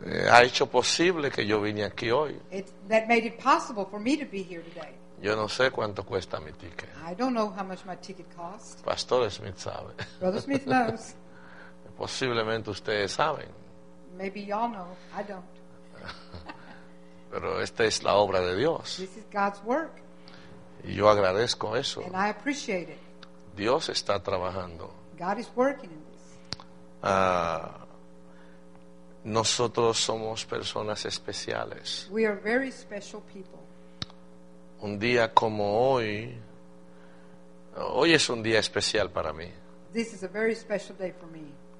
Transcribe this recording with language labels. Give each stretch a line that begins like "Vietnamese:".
Spanish: ha hecho posible que yo vine aquí hoy.
English: That made it possible for me to be here today.
Spanish: Yo no sé cuánto cuesta mi ticket.
English: I don't know how much my ticket cost.
Spanish: Pastor Smith sabe.
English: Brother Smith knows.
Spanish: Posiblemente ustedes saben.
English: Maybe y'all know. I don't.
Spanish: Pero esta es la obra de Dios.
English: This is God's work.
Spanish: Y yo agradezco eso.
English: And I appreciate it.
Spanish: Dios está trabajando.
English: God is working in this.
Spanish: Nosotros somos personas especiales.
English: We are very special people.
Spanish: Un día como hoy, hoy es un día especial para mí.
English: This is a very special day for me.